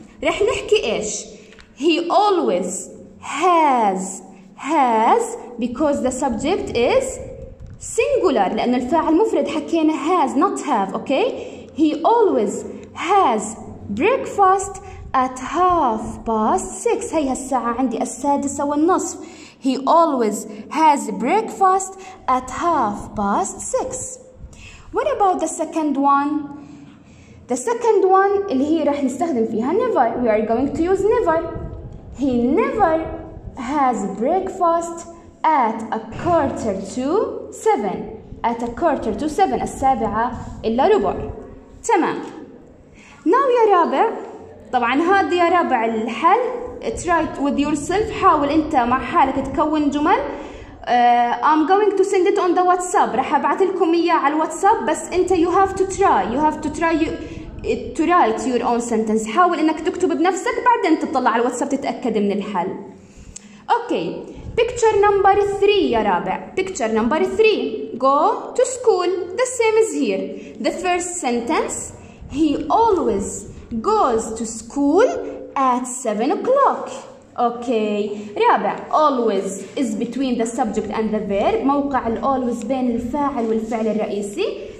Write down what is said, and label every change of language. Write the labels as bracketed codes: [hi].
[ar] رح نحكي إيش؟ [en] He always has because the subject is singular. [ar] لأن الفاعل مفرد حكينا [en] has not have. Okay? He always has breakfast at 6:30. [ar] هيها الساعة عندي السادسة والنصف. [en] He always has breakfast at 6:30. What about the second one? The second one [ar] اللي هي راح نستخدم فيها [en] never. We are going to use never. He never has breakfast at 7:15. [ar] At 7:15, السابعة إلا ربع. تمام. Now يا رابع. طبعا هذا يا رابع الحل. [en] Try it with yourself. [ar] حاول أنت مع حالك تكون جمل. [en] I'm going to send it on the WhatsApp. [ar] رح أبعث لكم إياه على الواتساب. بس أنت [en] you have to try. You have to try to write your own sentence. [ar] حاول أنك تكتب بنفسك. بعدين تطلع على الواتساب تتأكد من الحل. [en] Okay. Picture number 3 يا رابع. Picture number 3. Go to school. The same is here. The first sentence. He always goes to school at 7 o'clock. Okay. رابع always is between the subject and the verb. [ar] موقع ال always بين الفاعل والفعل الرئيسي.